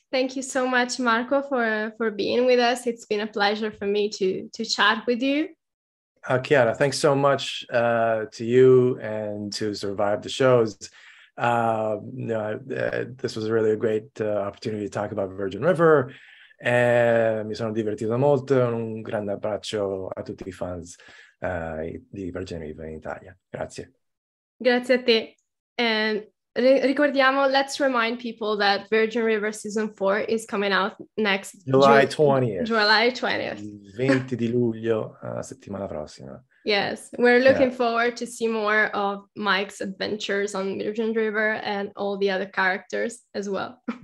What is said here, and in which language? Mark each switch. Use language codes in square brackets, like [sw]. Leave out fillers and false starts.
[en] Thank you so much, Marco, for being with us. It's been a pleasure for me to chat with you. Chiara, thanks so much to you and to Survive the Shows. This was really a great opportunity to talk about Virgin River. [it] Mi sono divertito molto. Un grande abbraccio a tutti I fans di Virgin River in Italia. Grazie. Grazie a te. [en] And let's remind people that Virgin River Season 4 is coming out next July 20th. July 20th. [it] 20 di luglio, settimana prossima. [en] Yes, we're looking forward to see more of Mike's adventures on Mutant River and all the other characters as well.